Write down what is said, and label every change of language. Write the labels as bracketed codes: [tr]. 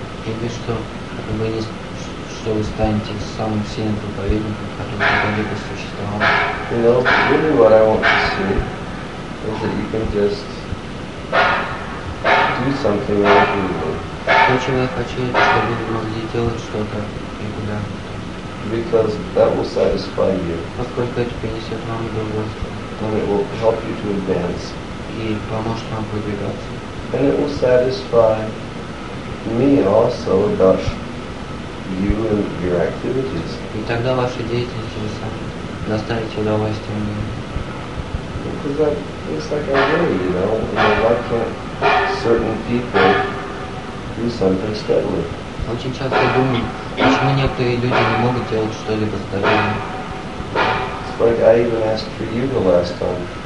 [ru] Или что, что вы станете самым сильным проповедником, который когда-либо существовал. [en] You know, really what I want to see is that you can just do something regularly. [ru] То, чего я хочу, это чтобы вы могли делать что-то регулярно. [en] Because that will satisfy you. [ru] Поскольку это принесет вам удовольствие. [en] And it will help you to advance. [ru] И поможет вам продвигаться. [en] And it will satisfy me also about you and your activities. [ru] И тогда ваша деятельность вы сами доставите удовольствие мне. [en] Because that looks like I really, you know, why can't certain people do something steadily? [ru] Очень часто я думаю, почему некоторые люди не могут делать что-либо стабильно. [en] It's like I even asked for you the last time.